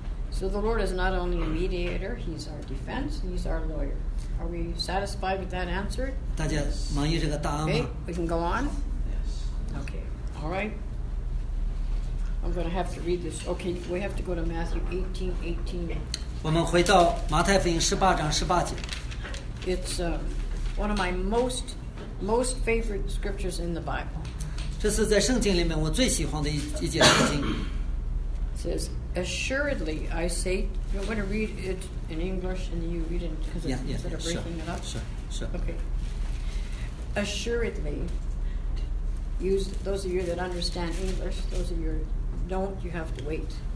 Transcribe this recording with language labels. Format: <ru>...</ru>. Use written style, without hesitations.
<en>So the Lord is not only a mediator; He's our defense, He's our lawyer. Are we satisfied with that answer?</en> <zh>大家满意这个答案吗</zh> <en>？Okay, we can go on. Yes. Okay. All right. I'm going to have to read this. Okay, we have to go to Matthew 18:18.</en> <zh>我们回到马太福音十八章十八节。</zh> <en>It's one of my most favorite scriptures in the Bible.</en> <zh>这是在圣经里面我最喜欢的一节圣经。</zh> <en>Says. Assuredly, I say. You want to read it in English, and you read it because instead of breaking it up. Sure. Okay. Assuredly, use those of you that understand English. Those of you don't, you have to wait.</en>